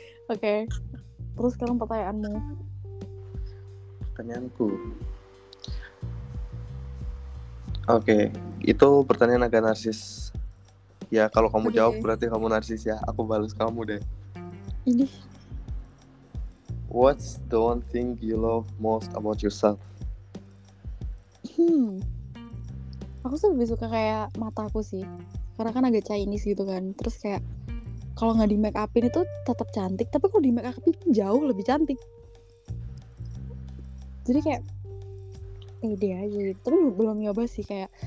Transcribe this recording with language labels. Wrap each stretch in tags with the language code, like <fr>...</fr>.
<id>Oke. Terus sekarang pertanyaanmu. Pertanyaanku. Oke, itu pertanyaan agak narsis. Ya, kalau kamu jawab berarti kamu narsis ya. Aku balas kamu deh. Ini.</id> <en>What's the one thing you love most about yourself?</en> <id>Aku sih lebih suka kayak mataku sih. Karena kan agak Chinese gitu kan. Terus kayak kalau enggak di make up-in itu tetap cantik, tapi kalau di make up-in jauh lebih cantik. Jadi kayak ide aja gitu. Tapi belum nyoba sih kayak.</id>